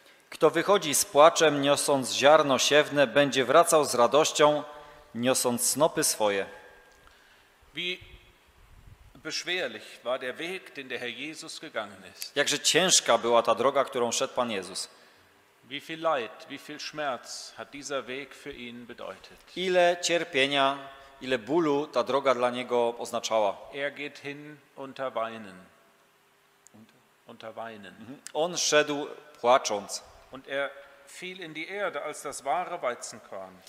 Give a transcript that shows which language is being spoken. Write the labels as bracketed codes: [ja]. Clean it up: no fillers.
[pl] Kto wychodzi z płaczem, niosąc ziarno siewne, będzie wracał z radością, niosąc snopy swoje. [de] Wie beschwerlich war der Weg, den der Herr Jesus gegangen ist. [pl] Jakże ciężka była ta droga, którą szedł Pan Jezus. [de] Wie viel Leid, wie viel Schmerz hat dieser Weg für ihn bedeutet. [pl] Ile cierpienia, ile bólu ta droga dla niego oznaczała. [de] Er geht hin unter weinen. Unter weinen. [pl] On szedł płacząc. [de] Und er fiel in die Erde als das wahre Weizenkorn.